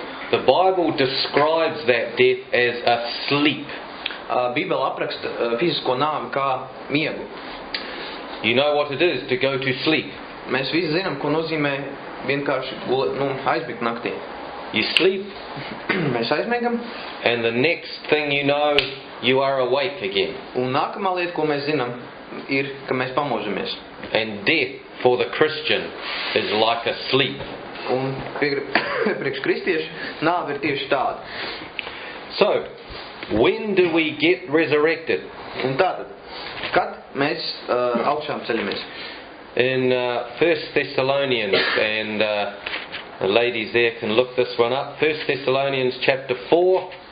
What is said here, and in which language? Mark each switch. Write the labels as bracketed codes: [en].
[en] the Bible describes that death as a sleep. [lv] Bībela apraksta fizisko nāvi kā miegu. [en] You know what it is to go to sleep. [lv] Mēs visi zinām, ko nozīmē vienkārši aizmigt naktī. [en] You sleep. [lv] Mēs aizmiegam. [en] And the next thing you know, you are awake again. [lv] Un nākamā lieta, ko mēs zinām, ir, ka mēs pamodzamies. [en] And death for the Christian is like a sleep. [lv] Un priekš kristiešu nāve ir tieši tāda. [en] So, when do we get resurrected? [lv] Un tātad, kad mēs augšām ceļamies? [en] In 1 Thessalonians, and the ladies there can look this one up, 1 Thessalonians chapter 4.